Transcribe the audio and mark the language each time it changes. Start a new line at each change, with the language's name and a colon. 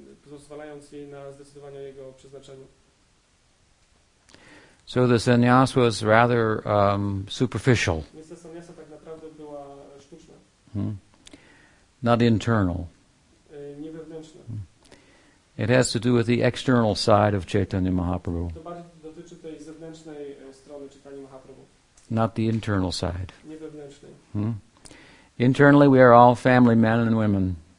Polish: Pozwalając jej na zdecydowanie o jego przeznaczeniu.
English: So the sannyas was rather superficial.
Polish: Więc ta sannyasa tak naprawdę była sztuczna.
English: Not internal.
Polish: Nie wewnętrzna.
English: It has to do with the external side of Chaitanya Mahaprabhu.
Polish: To bardziej dotyczy tej zewnętrznej strony Chaitanya Mahaprabhu.
English: Not the internal side.
Polish: Nie wewnętrznej.
English: Internally, we are all family men and women.